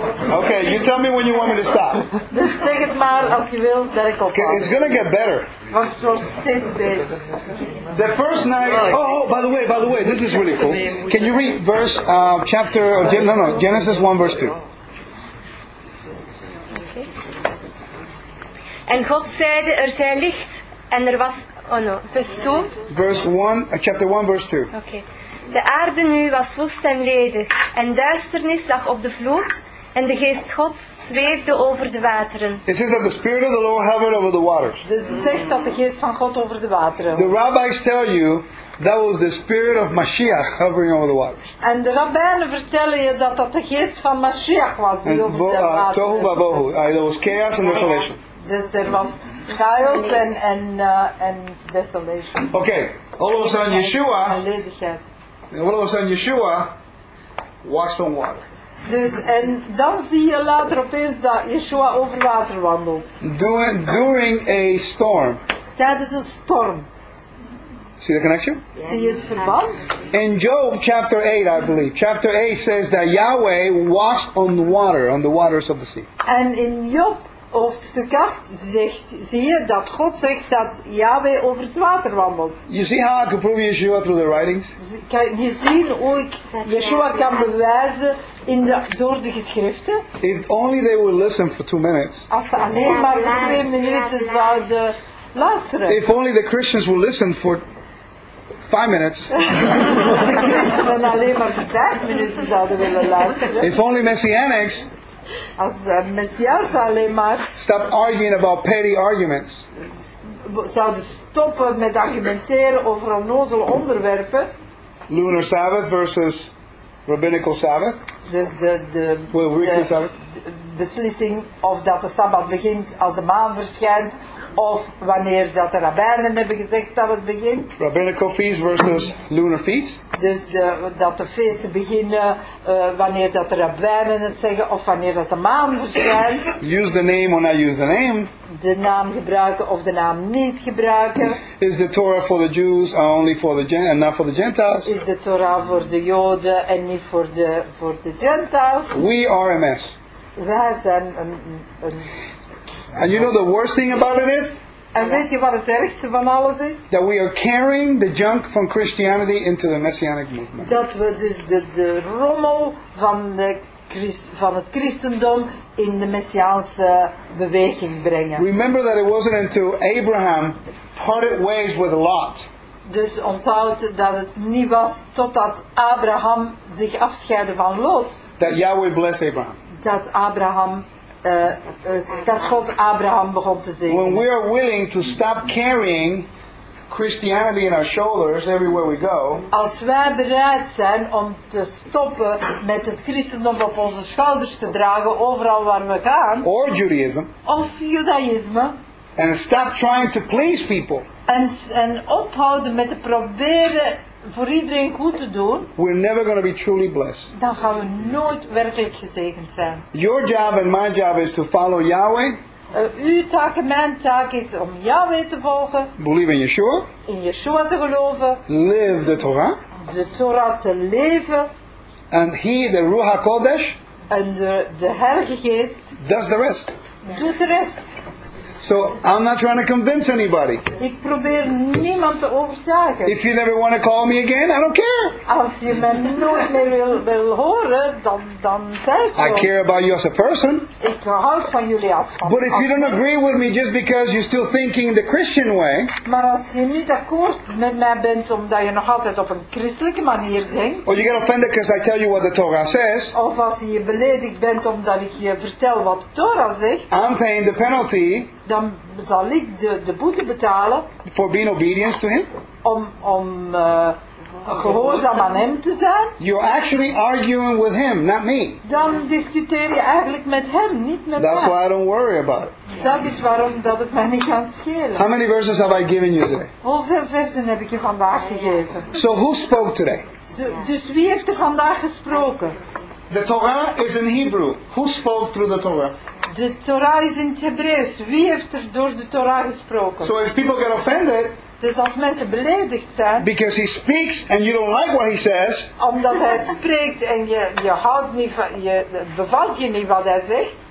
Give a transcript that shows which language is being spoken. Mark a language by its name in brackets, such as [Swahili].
[English] Okay, you tell me when you want me to stop. [Dutch] Dus zeg het maar als je wil dat ik ophoud. [English] It's gonna get better. [Dutch] Want het wordt steeds beter. [English] The first night. Oh, by the way, this is really cool. Can you read verse chapter? No, Genesis 1 verse 2. [Dutch] En God zeide, er zij licht, en er was. [English] Oh no, verse 2. Verse 1, chapter 1 verse 2. Okay. [Dutch] De aarde nu was woest en ledig, en duisternis lag op de vloed, en de geest Gods zweefde over de wateren. [English] It says that the spirit of the Lord hovered over the waters. [Dutch] Dus het zegt dat de geest van God over de wateren. [English] The rabbis tell you that was the spirit of Mashiach hovering over the waters. [Dutch] En de rabbijnen vertellen je dat dat de geest van Mashiach was die over de wateren. [Hebrew] Tohu babohu. [English] There was chaos and desolation. [Dutch] Dus er was chaos en desolation. [English] Okay, all of a sudden Yeshua. [Dutch] Ledigheid. [English] And all of a sudden Yeshua walks on water. [Dutch] Dus en dan zie je later opeens dat Yeshua over water wandelt. [English] During a storm. [Dutch] Tijdens een storm. [English] See the connection? [Dutch] Zie je het verband? [English] In Job chapter 8, I believe. Chapter 8 says that Yahweh walks on the waters of the sea. [Dutch] En in Job hoofdstuk 8 zegt, zie je dat God zegt dat Yahweh over het water wandelt. [English] You see how I can prove Yeshua through the writings? [Dutch] Je ziet hoe ik Yeshua kan bewijzen door de geschriften. [English] If only they would listen for 2 minutes. [Dutch] Als ze alleen maar voor 2 minuten zouden luisteren. [English] If only the Christians would listen for 5 minutes. [Dutch] De christenen alleen maar voor 5 minuten zouden willen luisteren. [English] If only Messianics. [Dutch] Als Messias alleen maar. [English] Stop arguing about petty arguments. [Dutch] Zouden stoppen met argumenteren over onnozele onderwerpen. [English] Lunar Sabbath versus Rabbinical Sabbath. [Dutch] Dus [English] weekly Sabbath. [Dutch] De beslissing of dat de Sabbat begint als de maan verschijnt. Of wanneer dat de rabbijnen hebben gezegd dat het begint. [English] Rabbinical feast versus lunar feast. [Dutch] Dus dat de feesten beginnen wanneer dat de rabbijnen het zeggen of wanneer dat de maan verschijnt. [English] Use the name or not use the name. [Dutch] De naam gebruiken of de naam niet gebruiken. [English] Is the Torah for the Jews only for the and not for the Gentiles? [Dutch] Is de Torah voor de Joden en niet voor de Gentiles? [English] We are a mess. [Dutch] Wij zijn een [English] And you know the worst thing about it is? [Dutch] En weet je wat het ergste van alles is? [English] That we are carrying the junk from Christianity into the Messianic movement. [Dutch] Dat we dus de rommel van de van het christendom in de messiaanse beweging brengen. [English] Remember that it wasn't until Abraham parted ways with Lot. [Dutch] Dus onthoud dat het niet was totdat Abraham zich afscheidde van Lot. [English] That Yahweh bless Abraham. [Dutch] Dat Abraham dat God Abraham begon te zegenen. [English] When we are willing to stop carrying Christianity in our shoulders everywhere we go. [Dutch] Als wij bereid zijn om te stoppen met het christendom op onze schouders te dragen overal waar we gaan. [English] Or Judaism. [Dutch] Of Judaïsme. [English] And stop trying to please people. [Dutch] En ophouden met te proberen voor iedereen goed te doen. [English] We're never going to be truly blessed. [Dutch] Dan gaan we nooit werkelijk gezegend zijn. [English] Your job and my job is to follow Yahweh. [Dutch] Uw taak en mijn taak is om Yahweh te volgen. [English] Believe in Yeshua. [Dutch] In Yeshua te geloven. [English] Live the Torah. [Dutch] De Torah te leven. [English] And he, the Ruach HaKodesh. [Dutch] En de Heilige Geest. [English] Does the rest. [Dutch] Doet de rest. [English] So I'm not trying to convince anybody. [Dutch] Ik probeer niemand te overtuigen. [English] If you never want to call me again, I don't care. [Dutch] Als je me nooit meer wil horen, dan zeg het zo. [English] I care about you as a person. [Dutch] Ik houd van jullie als van. [English] But if you don't agree with me just because you're still thinking the Christian way. [Dutch] Maar als je niet akkoord met mij bent omdat je nog altijd op een christelijke manier denkt. [English] Or you get offended because I tell you what the Torah says. [Dutch] Of als je beledigd bent omdat ik je vertel wat de Torah zegt. [English] I'm paying the penalty. [Dutch] Dan zal ik de boete betalen. [English] For being obedient to him. [Dutch] Om gehoorzaam aan hem te zijn. [English] You're actually arguing with him, not me. [Dutch] Dan discuteer je eigenlijk met hem, niet met [English] That's [Dutch] mij. [English] That's why I don't worry about it. [Dutch] Dat is waarom dat het mij niet kan schelen. [English] How many verses have I given you today? [Dutch] Hoeveel versen heb ik je vandaag gegeven? [English] So who spoke today? [Dutch] Dus wie heeft er vandaag gesproken? [English] The Torah is in Hebrew. Who spoke through the Torah? [Dutch] De Torah is in het Hebreeuws. Wie heeft er door de Torah gesproken? [English] So if people get offended, [Dutch] dus als mensen beledigd zijn, [English] because he speaks and you don't like what he says, [Dutch] omdat hij spreekt en je houdt niet van, je bevalt je niet wat hij zegt.